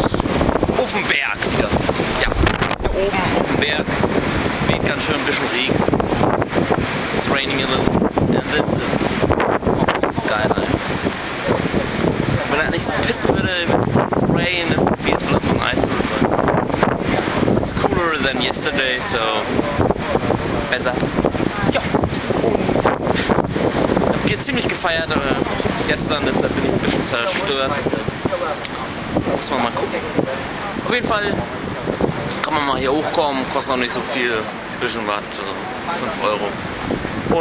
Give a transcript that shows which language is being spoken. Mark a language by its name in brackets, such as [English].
[German] Auf dem Berg wieder. Ja, hier oben auf dem Berg. Weht ganz schön ein bisschen Regen. [English] It's raining a little. And this is Skyline. [German] Wenn er nicht so pissen würde mit Rain, wird es noch ein Eis. [English] It's cooler than yesterday, [German] so besser. Ja, und ich habe hier ziemlich gefeiert gestern, deshalb bin ich ein bisschen zerstört. Muss man mal gucken. Auf jeden Fall kann man mal hier hochkommen, kostet noch nicht so viel. Ein bisschen was, 5 Euro.